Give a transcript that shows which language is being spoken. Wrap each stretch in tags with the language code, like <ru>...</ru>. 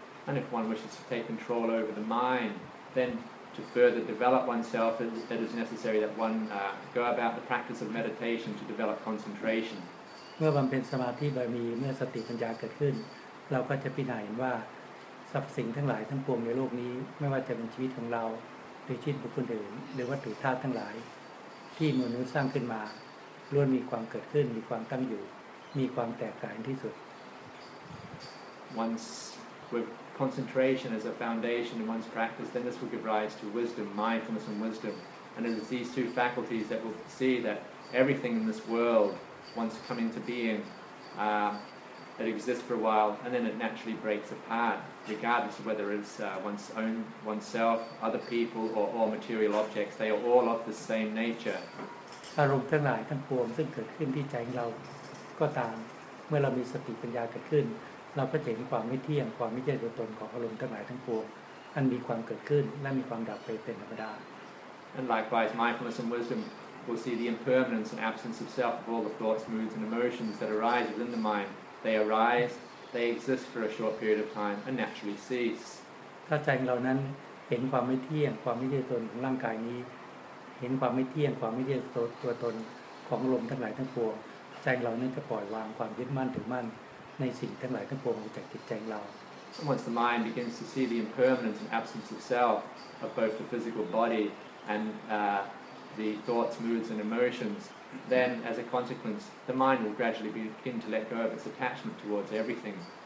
<en>And if one wishes to take control over the mind, then to further develop oneself, it is necessary that one go about the practice of meditation to develop concentration.</en> <th>เมื่อบำเพ็ญสมาธิบารมีเมื่อสติปัญญาเกิดขึ้นเราก็จะพิจารณาว่าสรรพสิ่งทั้งหลายทั้งปวงในโลกนี้ไม่ว่าจะเป็นชีวิตของเราโดยชีวิตบุคคลอื่นหรือวัตถุธาตุทั้งหลายที่มนุษย์สร้างขึ้นมาล้วนมีความเกิดขึ้นมีความตั้งอยู่มีความแตกกระจายที่สุด</th> <en>Once with concentration as a foundation in one's practice, then this will give rise to wisdom, mindfulness, and wisdom. And it is these two faculties that will see that everything in this world, once come into being, it exists for a while, and then it naturally breaks apart. Regardless of whether it's one's own oneself, other people, or all material objects, they are all of the same nature.</en> <th>อารมณ์ทั้งหลายทั้งปวงซึ่งเกิดขึ้นที่ใจเราก็ตามเมื่อเรามีสติปัญญาเกิดขึ้นเราก็เห็นความไม่เที่ยงความไม่ใช่ตัวตนของอารมณ์ทั้งหลายทั้งปวงอันมีความเกิดขึ้นและมีความดับไปเป็นธรรมดา</th> <en>And likewise, mindfulness and wisdom will see the impermanence and absence of self of all the thoughts, moods, and emotions that arise within the mind. They arise. They exist for a short period of time and naturally cease.</en> <th>ถ้าใจเรานั้นเห็นความไม่เที่ยงความไม่ใช่ตนของร่างกายนี้เห็นความไม่เที่ยงความไม่ใช่ตัวตนของลมทั้งหลายทั้งปวงใจเรานั้นจะปล่อยวางความยึดมั่นถือมั่นในสิ่งทั้งหลายทั้งปวงจากจิตใจเรา</th> <en>Once the mind begins to see the impermanence and absence of self of both the physical body and the thoughts, moods, and emotions. Then, as a consequence, the mind will gradually begin to let go of its attachment towards everything.</en>